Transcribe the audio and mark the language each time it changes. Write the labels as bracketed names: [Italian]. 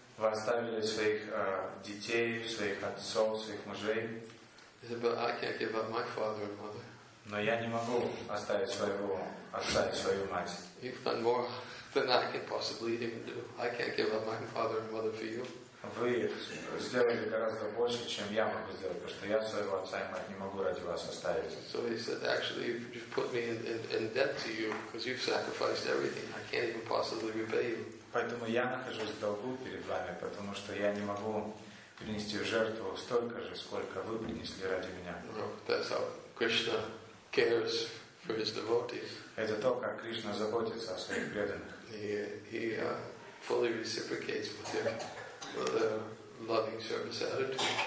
[Russian] Вы оставили своих детей, своих отцов, своих мужей. [English] He said, but I can't give up my father and mother. [Russian] Но я не могу оставить своего отца и свою мать. [English] You've done more than I can possibly even do. I can't give up my father and mother for you. [Russian] Вы сделали гораздо больше, чем я могу сделать, потому что я своего отца и мать не могу ради вас оставить. [English] So he said, actually, you've put me in debt to you because you've sacrificed everything. I can't even possibly repay you. [Russian] Поэтому я нахожусь в долгу перед вами, потому что я не могу принести жертву столько же, сколько вы принесли ради меня. [English] That's how Krishna cares for his devotees. [Russian] Это то, как Кришна заботится о своих преданных. [English] He fully reciprocates with their loving service attitude.